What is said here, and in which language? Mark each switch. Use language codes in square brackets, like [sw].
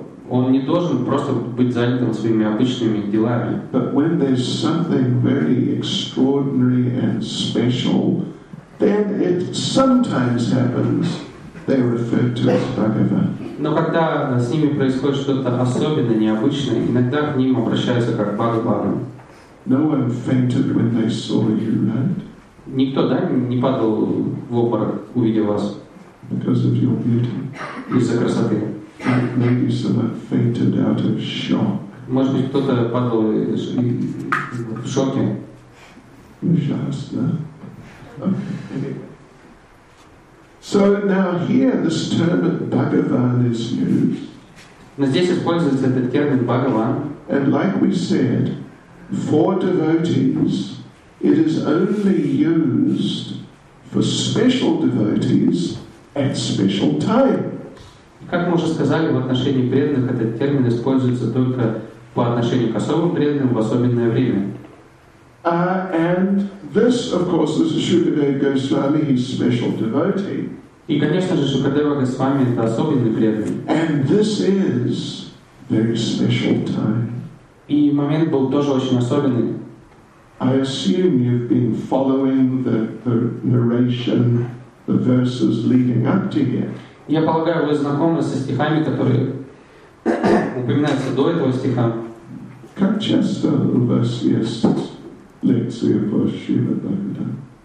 [ru] Он не должен просто быть занятым своими обычными делами. [en] But when there's something very extraordinary and special, then it sometimes happens they refer to as Bhagavan. [ru] Но когда с ними происходит что-то особенное, необычное, иногда к ним обращаются как Бхагаван. [en] No one fainted when they saw you, right? [ru] Никто, да, не падал в обморок, увидев вас. [en] Because of your beauty. [ru] Из-за красоты. [en] Maybe someone fainted out of shock. [ru] Может быть, кто-то падал в шоке. Ужасно. [en] So now here this term Bhagavan is used. [ru] Но здесь используется этот термин Бхагаван. [en] And like we said, for devotees, it is only used for special devotees at special times. [ru] Как мы уже сказали, в отношении преданных этот термин используется только по отношению к особым преданным в особенное время. [en] And this, of course, is Shukadeva Goswami, his special devotee. [ru] И, конечно же, Шукадева Госвами — это особенный преданный. [en] And this is very special time. [ru] И момент был тоже очень особенный. [en] I assume you've been following the narration, the verses leading up to here. [ru] Я полагаю, вы знакомы со стихами, которые упоминаются до этого стиха. Как часто у вас есть лекция по Шива Бхагаватам?